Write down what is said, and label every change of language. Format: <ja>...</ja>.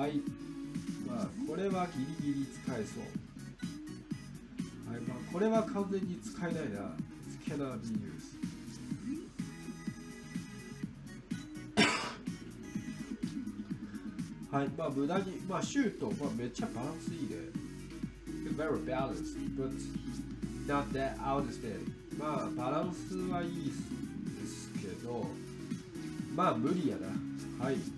<ja>はい、まあこれはギリギリ使えそう。はい、まあ、これは完全に使えないな。</ja> <en>It cannot be used.</en> <ja>はい、まあ無駄に、まあシュート、まあめっちゃバランスいいね。</ja> <en>Very balanced, but not that out of there.</en> <ja>まあバランスはいいですけど、まあ無理やな。はい。</ja>